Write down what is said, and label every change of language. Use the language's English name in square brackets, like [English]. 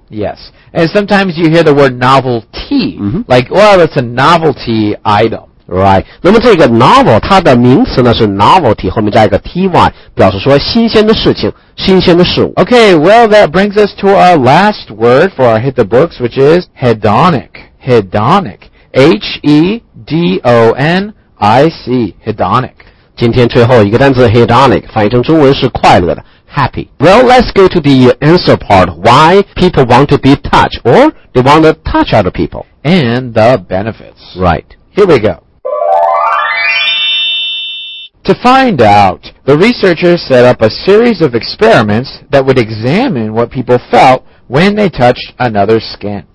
[English] Yes. And sometimes you hear the word novelty. Like, well, it's a novelty item. Right. [Chinese] 那么这个 novel, 它的名词呢是 novelty, 后面加一个 ty, 表示说新鲜的事情，新鲜的事物。 [English] Okay, well, that brings us to our last word for our Hit the Books, which is hedonic. Hedonic. H-E-D-O-N-I-C. Hedonic. [Chinese] 今天最后一个单词 hedonic, 翻译成中文是快乐的。 [English] Happy. Well, let's go to the answer part. Why people want to be touched, or they want to touch other people. And the benefits. Right. Here we go. To find out, the researchers set up a series of experiments that would examine what people felt when they touched another's skin.